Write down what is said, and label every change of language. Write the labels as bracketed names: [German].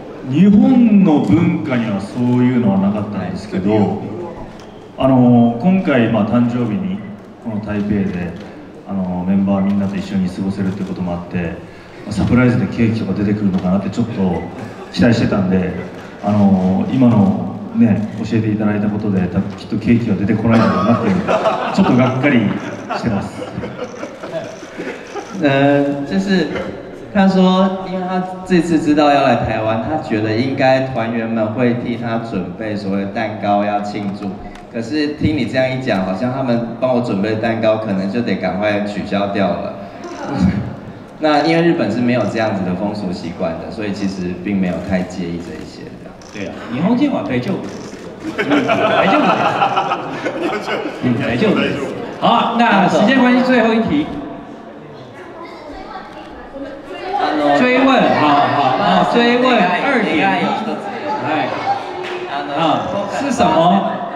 [Japanese] 日本の文化にはそういうのはなかったんですけど、今回、まあ、誕生日にこの台北で、メンバーみんなと一緒に過ごせるってこともあって、サプライズでケーキとか出てくるのかなってちょっと期待してたんで、今のね教えていただいたことできっとケーキは出てこないのかなってちょっとがっかりしてます。 [Chinese] 就是他说因为他这次知道要来台湾，他觉得应该团员们会替他准备所谓的蛋糕要庆祝，可是听你这样一讲，好像他们帮我准备的蛋糕可能就得赶快取消掉了。那因为日本是没有这样子的风俗习惯的，所以其实并没有太介意这一些的。对啊， [Japanese] 日本人は大丈夫です。大丈夫です。大丈夫です。 [Chinese] 好，那时间关系最后一题。追问，好，追问二点，哎，是什么？